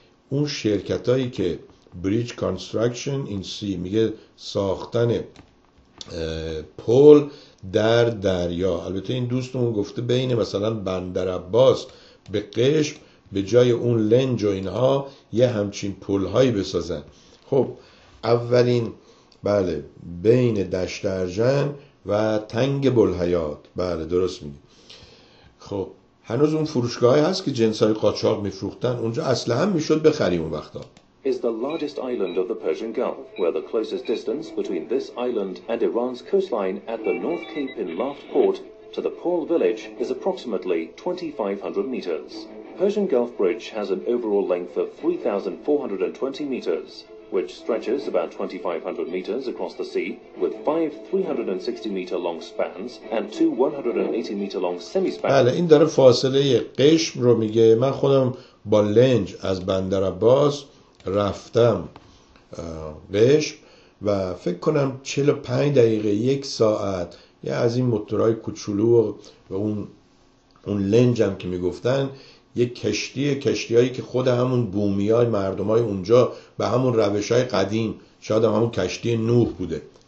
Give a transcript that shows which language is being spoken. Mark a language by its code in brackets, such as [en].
[fa] اون شرکتایی که بریج کانستراکشن این سی میگه ساختن پل در دریا، البته این دوستمون گفته بین مثلا بندر عباس به قشم به جای اون لنج و اینها یه همچین پل‌هایی بسازن. خب اولین بله بین دشت ارژن و تنگ بلحیات، بله درست میگی. خب هنوز اون فروشگاهی هست که جنس‌های قاچاق میفروختن اونجا، اصلا هم میشد بخریم اون وقتا. [en] Is the largest island of the Persian Gulf, where the closest distance between this island and Iran's coastline at the North Cape in Laft Port to the Pearl village is approximately 2500 meters. Persian Gulf Bridge has an overall length of 3420 meters, which stretches about 2500 meters across the sea with five 360 meter long spans and two 180 meter long semispans. [fa] بله این داره فاصله قشم رو میگه. من خودم با لنج از بندر عباس رفتم قشم و فکر کنم 45 دقیقه یک ساعت یه از این موتورهای کوچولو و اون لنج هم که میگفتن یک کشتیایی که خود همون بومیای مردمای اونجا به همون روشای قدیم، شاید هم همون کشتی نوح بوده.